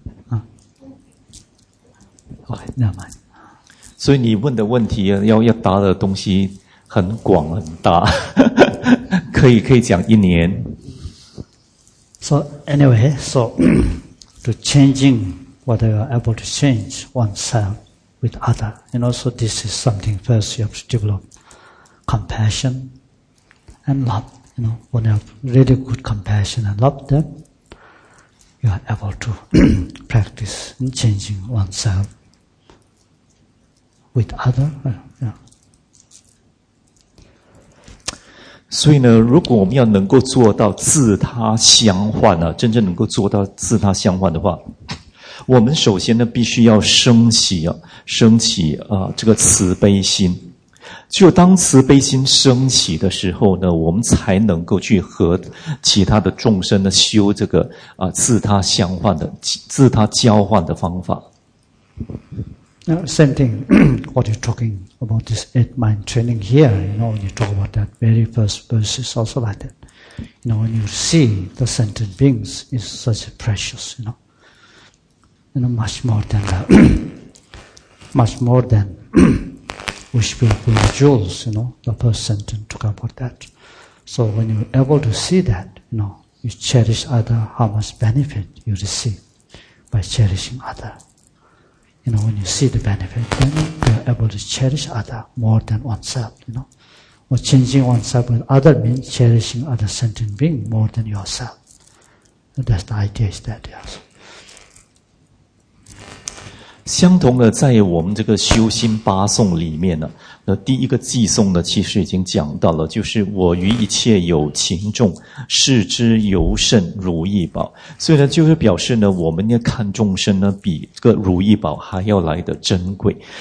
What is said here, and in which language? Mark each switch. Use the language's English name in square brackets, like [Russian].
[English] Okay, never mind. [Chinese] 所以你问的问题要答的东西很广很大，可以讲一年。 [English] So anyway, so to changing what you are able to change oneself. With other, and also this is something first you have to develop compassion and love. You know, when you have really good compassion and love, then you are able to practice in changing oneself with other. Yeah. [Chinese] 所以呢，如果我们要能够做到自他相换呢、啊，真正能够做到自他相换的话。我们首先呢，必须要升起这个慈悲心。就当慈悲心升起的时候呢，我们才能够去和其他的众生呢修这个自他相换的、自他交换的方法。 [English] Same thing, what you're talking about this eight mind training here. You know, when you talk about that very first verse is also like that. You know, when you see the sentient beings is such precious, you know. You know, much more than that. much more than wishful jewels, you know, the first sentence talk about that. So when you're able to see that, you know, you cherish other, how much benefit you receive by cherishing other. You know, when you see the benefit, then you're able to cherish other more than oneself, you know. Or changing oneself with other means cherishing other sentient being more than yourself. That's the idea is that, yes. [Chinese] 相同的，在我们这个修心八颂里面呢，那第一个偈颂呢，其实已经讲到了，就是我于一切有情众，视之尤甚如意宝。所以呢，就是表示呢，我们要看众生呢，比这个如意宝还要来的珍贵。